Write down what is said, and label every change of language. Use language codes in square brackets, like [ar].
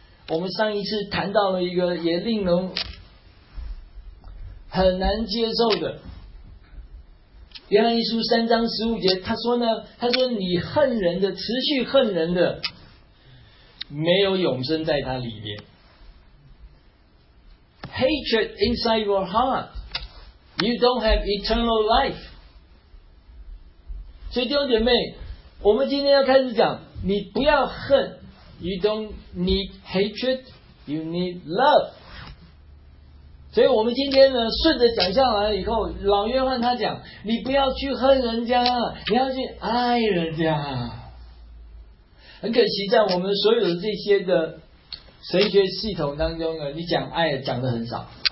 [zh] 我们上一次谈到了一个也令人很难接受的，约翰一书三章十五节，他说呢，他说你恨人的，持续恨人的，没有永生在他里面。 [en] Hatred inside your heart, you don't have eternal life. [zh] 所以弟兄姐妹，我们今天要开始讲，你不要恨， [en] You don't need hatred, you need love. [zh] 所以我们今天呢，顺着讲下来以后，老约翰他讲，你不要去恨人家，你要去爱人家。很可惜，在我们所有的这些的神学系统当中呢，你讲爱讲的很少。